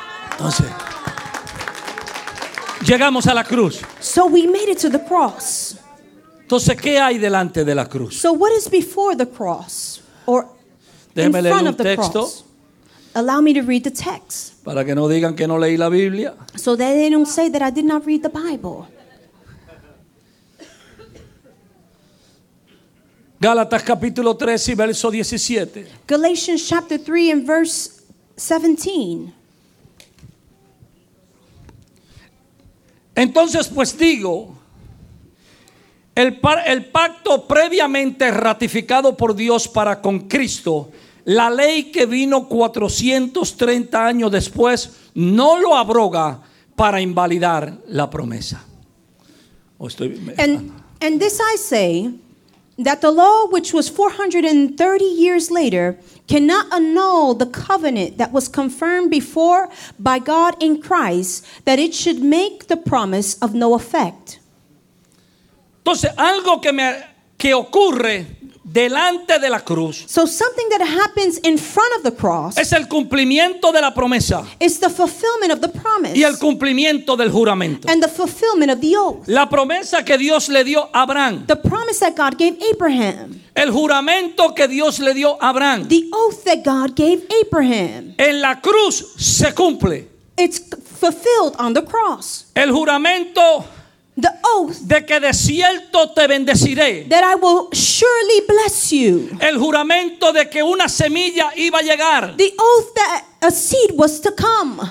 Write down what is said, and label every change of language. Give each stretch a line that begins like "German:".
Spanish: Entonces, llegamos a la cruz.
English: So we made it to the cross.
Spanish: Entonces, ¿qué hay delante de la cruz?
English: So what is before the cross or
Spanish: déjeme
English: in front
Spanish: leer
English: of the
Spanish: texto.
English: Cross? Allow me to read the text.
Spanish: Para que no digan que no leí la Biblia.
English: So that they don't say that I did not read the Bible.
Spanish: Gálatas capítulo 3 y verso 17.
English: Galatians chapter 3 and verse 17.
Spanish: Entonces pues digo, el pacto previamente ratificado por Dios para con Cristo, la ley que vino 430 años después, no lo abroga para invalidar la promesa.
English: And this I say, that the law which was 430 years later cannot annul the covenant that was confirmed before by God in Christ, that it should make the promise of no effect.
Spanish: Entonces, algo que ocurre delante de la cruz,
English: so something that happens in front of the cross,
Spanish: es el cumplimiento de la promesa,
English: is the fulfillment of the promise,
Spanish: y el cumplimiento del juramento,
English: and the fulfillment of the oath,
Spanish: la promesa que Dios le dio a Abraham,
English: the promise that God gave Abraham,
Spanish: el juramento que Dios le dio a Abraham,
English: the oath that God gave Abraham,
Spanish: en la cruz se cumple,
English: it's fulfilled on the cross,
Spanish: el juramento,
English: the oath,
Spanish: de que de cierto te bendeciré,
English: that I will surely bless you,
Spanish: el juramento de que una semilla iba a llegar,
English: the oath that a seed was to come,